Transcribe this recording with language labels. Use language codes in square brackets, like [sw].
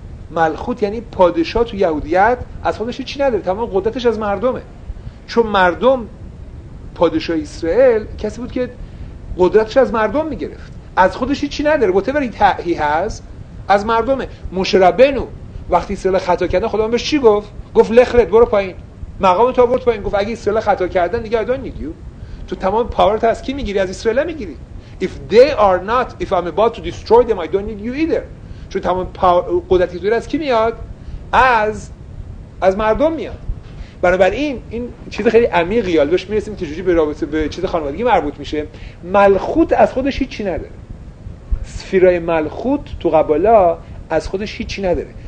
[fa] ملخوت یعنی پادشاه تو یهودیت از خودش هیچی نداره، تمام قدرتش از مردمه، چون مردم پادشاه اسرائیل کسی بود که قدرتش از مردم میگرفت، از خودش هیچی نداره، [en] whatever he has [fa] از مردمه. موشه ربنو وقتی اسرائیل خطا کردن خدا بهش چی گفت؟ گفت لخرت برو پایین، مقام تو آورد پایین. گفت اگه اسرائیل خطا کردن دیگه ادون نیدیو، تو تمام پاورت از کی میگیری؟ از اسرائیل میگیری. [en] If they are not, if I'm about to destroy them, I don't need you either. [fa] چون تمام قدرتی تو از کی میاد؟ از مردم میاد. بنابراین این چیز خیلی عمیقی، حالا بهش میرسیم که چجوری به رابطه به چیز خانوادگی مربوط میشه. ملخوت از خودش هیچی نداره. سفیرای ملخوت تو قبالا از خودش هیچی نداره.